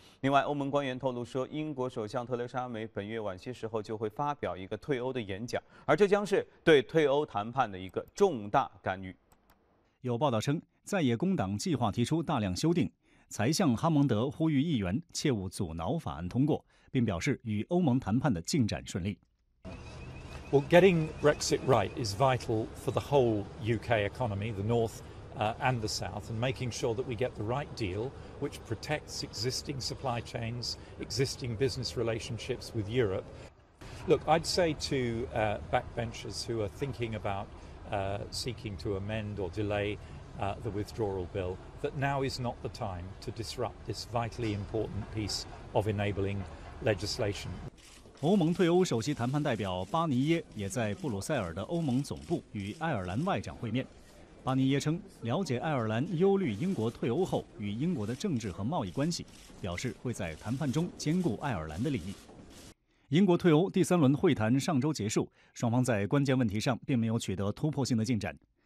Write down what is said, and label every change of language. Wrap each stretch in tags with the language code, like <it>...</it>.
<zh>另外，欧盟官员透露说，英国首相特蕾莎梅本月晚些时候就会发表一个退欧的演讲，而这将是对退欧谈判的一个重大干预。有报道称，在野工党计划提出大量修订，财相哈蒙德呼吁议员切勿阻挠法案通过，并表示与欧盟谈判的进展顺利。</zh> <en>Well, getting Brexit right is vital for the whole UK economy, the North, and the South, and making sure that we get the right deal which protects existing supply chains, existing business relationships with Europe. Look, I'd say to backbenchers who are thinking about seeking to amend or delay the withdrawal bill that now is not the time to disrupt this vitally important piece of enabling legislation.</en> <zh>欧盟退欧首席谈判代表巴尼耶也在布鲁塞尔的欧盟总部与爱尔兰外长会面。巴尼耶称，了解爱尔兰忧虑英国退欧后与英国的政治和贸易关系，表示会在谈判中兼顾爱尔兰的利益。英国退欧第三轮会谈上周结束，双方在关键问题上并没有取得突破性的进展。</zh>